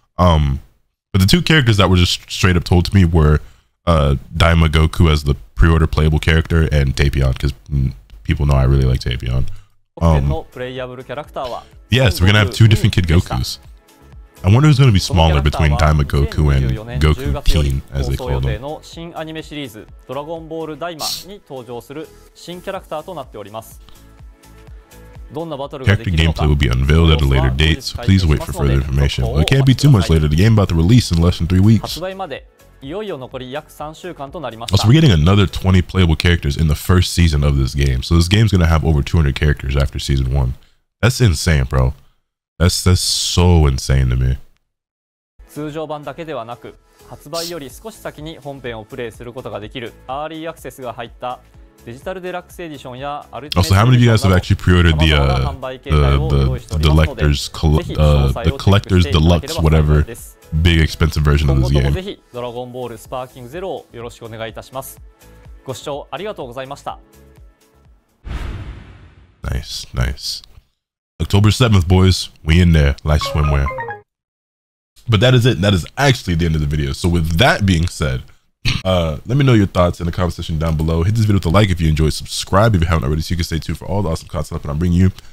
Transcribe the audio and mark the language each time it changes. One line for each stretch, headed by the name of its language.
English: But the two characters that were just straight up told to me were Daima Goku as the pre-order playable character and Tapion, because people know I really like Tapion. Yes, we're going to have two different kid Gokus. I wonder who's going to be smaller between Daima Goku and Goku Teen, as they call them.
Japanese: 新アニメシリーズ、ドラゴンボールダイマに登場する新キャラクターとなっております。どんなバトルができるのか。
English: Character gameplay will be unveiled at a later date, so please wait for further information. It can't be too much later. The game about to release in less than 3 weeks.
Japanese: 発売までいよいよ残り約3週間となりました
English: Also, we're getting another 20 playable characters in the first season of this game. So this game's going to have over 200 characters after season 1. That's insane, bro. That's so insane to me.
Japanese: 通常版だけではなく、発売より少し先に本編をプレイすることができる、アーリーアクセスが入ったデジタルデラックスエディションやアルティメットなど、様々な販売形態を用意しておりますので、ぜひ詳細をチェックしていただければ幸いです。
English: Deluxe, whatever, big expensive version of this game.
Japanese: 今後ともぜひドラゴンボールスパーキングゼロをよろしくお願いいたします。ご視聴ありがとうございました。
English: Nice, nice. October 7th, boys, we in there like swimwear. But that is it. That is actually the end of the video. So with that being said, let me know your thoughts in the comment section down below. Hit this video with a like if you enjoyed. Subscribe if you haven't already so you can stay tuned for all the awesome content that I'm bringing you.